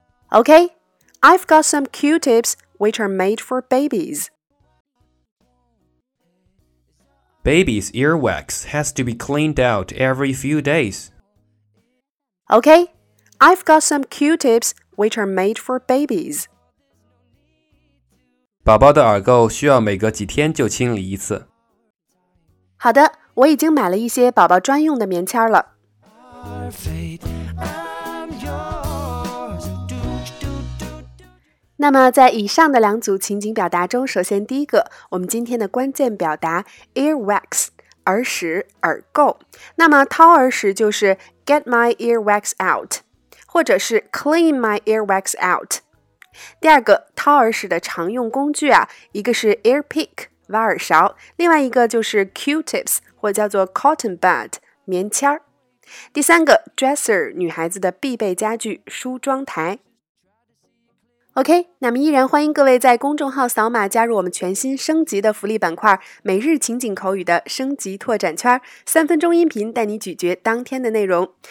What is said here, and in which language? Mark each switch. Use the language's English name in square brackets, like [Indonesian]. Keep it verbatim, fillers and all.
[English] Okay, I've got some Q-tips which are made for babies. Baby's earwax has to be cleaned out every few days. Okay, I've got some Q-tips which are made for babies. [Chinese] 宝宝的耳垢需要每隔几天就清理一次。好的，我已经买了一些宝宝专用的棉签了。那么在以上的两组情景表达中，首先第一个，我们今天的关键表达 earwax， 耳屎、耳垢。那么掏耳屎就是 [English] get my earwax out， [Chinese] 或者是 [English] clean my earwax out。 [Chinese] 第二个，掏耳屎的常用工具啊，一个是 ear pick 挖耳勺，另外一个就是 Q-tips 或叫做 cotton bud 棉签儿。第三个 dresser 女孩子的必备家具梳妆台。 OK， 那么依然欢迎各位在公众号扫码加入我们全新升级的福利板块每日情景口语的升级拓展圈，三分钟音频带你咀嚼当天的内容。